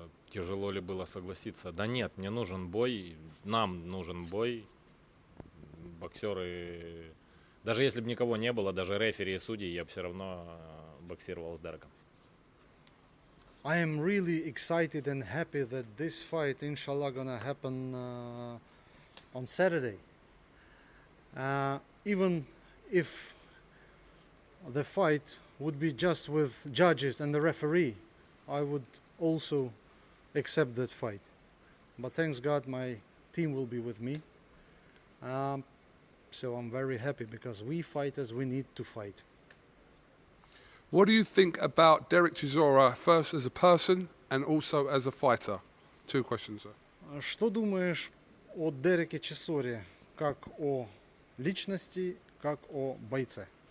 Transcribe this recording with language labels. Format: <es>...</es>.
<ru>Тяжело ли было согласиться? Да нет, мне нужен бой, нам нужен бой. Боксеры, даже если бы никого не было, даже рефери и судьи, я бы все равно боксировал с Дереком.</ru> <en>I am really excited and happy that this fight, inshallah, gonna happen on Saturday. Even if the fight would be just with judges and the referee, I would also accept that fight. But thanks God, my team will be with me. So I'm very happy because we fighters, we need to fight. What do you think about Derek Chisora first as a person and also as a fighter? Two questions, sir.</en> <ru>Что думаешь о Дереке Чизоре как о личности, как о бойце?</ru>